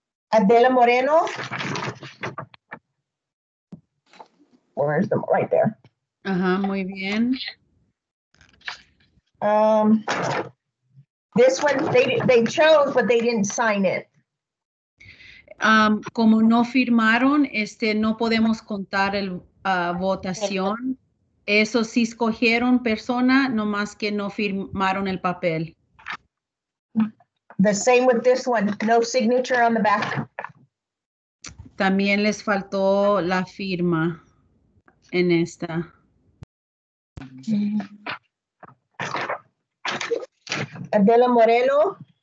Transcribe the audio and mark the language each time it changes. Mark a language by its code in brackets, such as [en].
[en] Adela Moreno. Where is the right there? [es] Muy bien. [en] This one they chose, but they didn't sign it. [es] Como no firmaron, no podemos contar el votación. Eso sí escogieron persona, nomás que no firmaron el papel. [en] The same with this one, no signature on the back. [es] También les faltó la firma en esta. Adela Morelo.